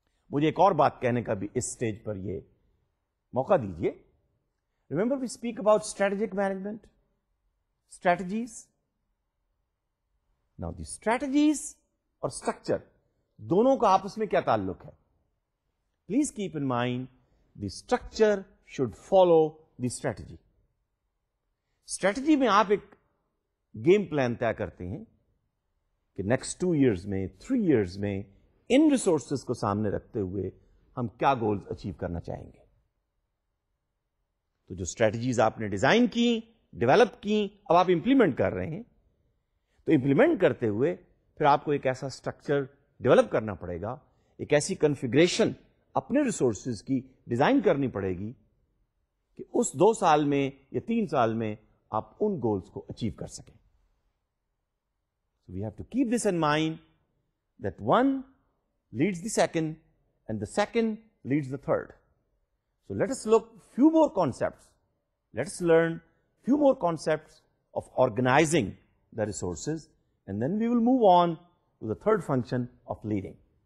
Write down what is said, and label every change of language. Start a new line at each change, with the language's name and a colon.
Urdu: مجھے ایک اور بات کہنے کا بھی اس سٹیج پر یہ موقع دیجئے.
English: Remember we speak about strategic management, strategies. Now the strategies
Urdu: اور structure دونوں کا آپس میں کیا تعلق ہے.
English: Please keep in mind the structure should follow the strategy.
Urdu: Strategy میں آپ ایک game plan طے کرتے ہیں کہ نیکسٹ 2 years میں 3 years میں ان ریسورسز کو سامنے رکھتے ہوئے ہم کیا گولز اچیو کرنا چاہیں گے تو جو اسٹریٹجیز آپ نے ڈیزائن کی ڈیولپ کی اب آپ امپلیمنٹ کر رہے ہیں تو امپلیمنٹ کرتے ہوئے پھر آپ کو ایک ایسا اسٹرکچر ڈیولپ کرنا پڑے گا ایک ایسی کنفیگریشن اپنے ریسورسز کی ڈیزائن کرنی پڑے گی کہ اس 2 سال میں یا 3 سال میں آپ ان گولز کو اچیو کر سکیں
English: So we have to keep this in mind that one leads the second and the second leads the third. So let us look few more concepts. Let us learn few more concepts of organizing the resources and then we will move on to the third function of leading.